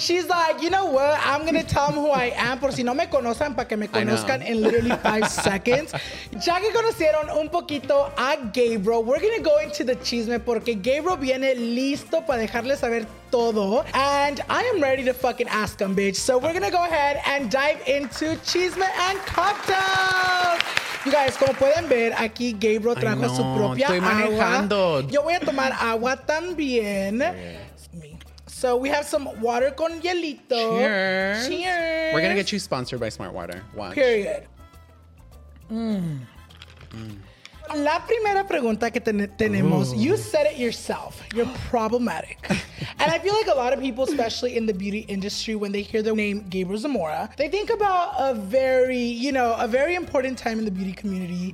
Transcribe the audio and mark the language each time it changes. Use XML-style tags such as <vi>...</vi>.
<en>She's like, you know what? I'm going to tell them who I am</en> <es>por si no me conocen para que me conozcan</es> <en>in literally 5 seconds.</en> <es>Ya que conocieron un poquito a Gabriel,</es> <en>we're going to go into the chisme</en> <es>porque Gabriel viene listo para dejarles saber todo.</es> <en>And I am ready to fucking ask him, bitch. So we're going to go ahead and dive into chisme and cocktails. You guys,</en> <es>como pueden ver, aquí Gabriel trajo su propia estoy manejando. Agua. Yo voy a tomar agua también.</es> <en>So we have some water</en> <es>con hielito.</es> <en>Cheers. Cheers. We're going to get you sponsored by Smart Water. Watch. Period.</en> <es>La primera pregunta que tenemos,</es> <en>ooh, you said it yourself, you're problematic. And I feel like a lot of people, especially in the beauty industry, when they hear the name Gabriel Zamora, they think about a very, you know, a very important time in the beauty community.</en>